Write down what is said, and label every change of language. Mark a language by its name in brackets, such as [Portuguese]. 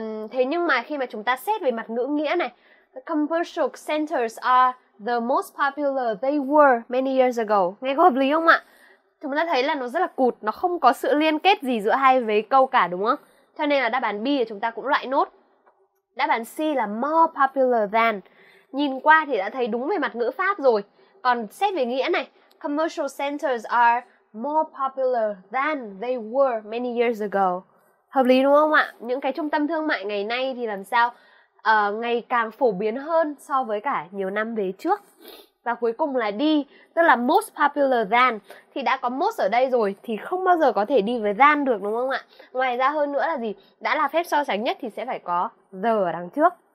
[Vietnamese] Thế nhưng mà khi mà chúng ta xét về mặt ngữ nghĩa này, [English] the commercial centers are the most popular they were many years ago. [Vietnamese] Nghe có hợp lý không ạ? Chúng ta thấy là nó rất là cụt, nó không có sự liên kết gì giữa hai vế câu cả đúng không? Cho nên là đáp án B thì chúng ta cũng loại nốt. Đáp án C là [English] more popular than. [Vietnamese] Nhìn qua thì đã thấy đúng về mặt ngữ pháp rồi. [English] Còn xét về nghĩa này, commercial centers are more popular than they were many years ago. [Vietnamese] Hợp lý đúng không ạ? Những cái trung tâm thương mại ngày nay thì làm sao? Ngày càng phổ biến hơn so với cả nhiều năm về trước. Và cuối cùng là đi, tức là most popular than. Thì đã có most ở đây rồi thì không bao giờ có thể đi với than được đúng không ạ? Ngoài ra hơn nữa là gì? Đã là phép so sánh nhất thì sẽ phải có the ở đằng trước.